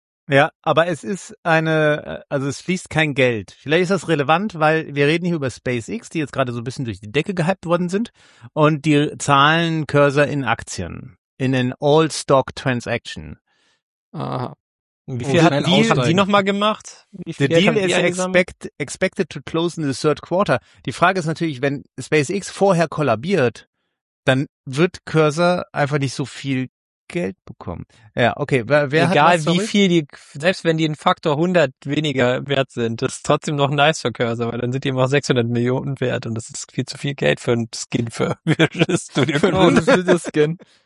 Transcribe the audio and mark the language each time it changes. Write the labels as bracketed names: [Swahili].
[German] Ja, aber es ist eine, also es fließt kein Geld. Vielleicht ist das relevant, weil wir reden hier über SpaceX, die jetzt gerade so ein bisschen durch die Decke gehypt worden sind, und die zahlen Cursor in Aktien, in den All-Stock-Transaction. Aha. Wie viel hat die, haben die nochmal gemacht? [English] The deal is expected to close in the third quarter. [German] Die Frage ist natürlich, wenn SpaceX vorher kollabiert, dann wird Cursor einfach nicht so viel Geld bekommen. Ja, okay. Wer egal hat wie viel die, selbst wenn die einen Faktor 100 weniger wert sind, das ist trotzdem noch nice für Cursor, weil dann sind die immer 600 Millionen wert und das ist viel zu viel Geld für einen Skin für ein Studio Skin.